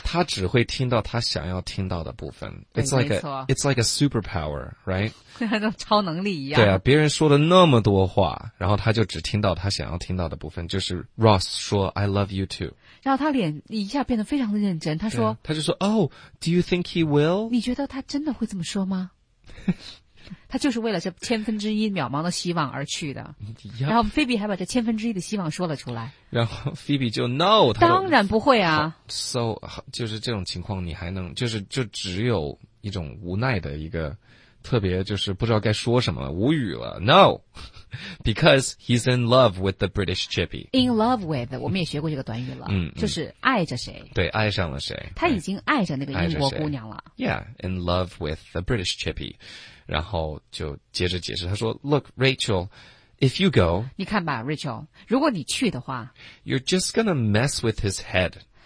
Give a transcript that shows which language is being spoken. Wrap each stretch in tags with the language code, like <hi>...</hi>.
<zh>他只会听到他想要听到的部分</zh> <en>it's like a superpower right</en> <zh>像超能力一样对啊别人说了那么多话然后他就只听到他想要听到的部分就是 Ross 说</zh> <en>I love you too</en> <zh>然后他脸一下变得非常的认真他说、</zh> <en>啊、</en> <zh>他就说</zh> <en>oh do you think he will</en> <zh>你觉得他真的会这么说吗他就是为了这千分之一渺茫的希望而去的。</zh> <en>Yep.</en> <zh>然后菲比还把这千分之一的希望说了出来。然后菲比就 no，当然不会啊。 So 就是这种情况，你还能就是就只有一种无奈的一个，特别就是不知道该说什么了，无语了。</zh> <en>No， because he's in love with the British chippy.</en> <zh>In love with， 我们也学过这个短语了。嗯，就是爱着谁。对，爱上了谁。他已经爱着那个英国姑娘了。</zh> <en>Yeah， in love with the British chippy。</en> <zh>然后就接着解释，他说</zh> <en>,Look, Rachel, if you go,</en> <zh>你看吧 ,Rachel, 如果你去的话</zh> <en>,You're just gonna mess with his head.</en>